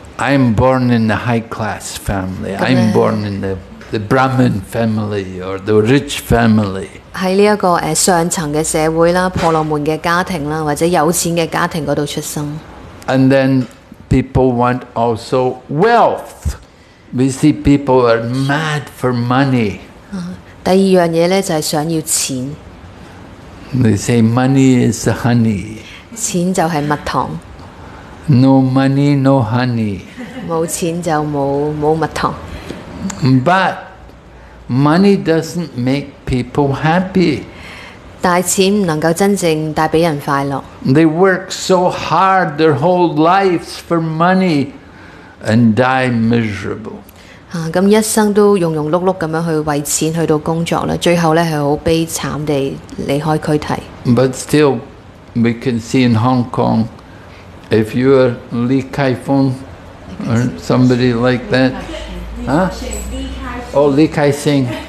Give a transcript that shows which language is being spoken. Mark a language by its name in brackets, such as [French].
[English] I am born in the high class family. I am born in the Brahmin family or the rich family. [Cantonese] 喺呢一個上層嘅社會啦，婆羅門嘅家庭啦，或者有錢嘅家庭嗰度出生。 [English] And then people want also wealth. We see people are mad for money. [Cantonese] 第二樣嘢咧就係想要錢。 [English] They say money is the honey. [Cantonese] 錢就係蜜糖。 [English] No money, no honey. [Cantonese] 冇錢就冇蜜糖。 [English] But money doesn't make people happy. [Cantonese] 但錢唔能夠真正帶俾人快樂。 [English] They work so hard their whole lives for money and die miserable. [Cantonese] 咁一生都庸庸碌碌咁樣去為錢去到工作啦，最後咧係好悲慘地離開軀體。 [English] But still, we can see in Hong Kong, if you are Li Kaifeng or somebody like that, Li Kaixing.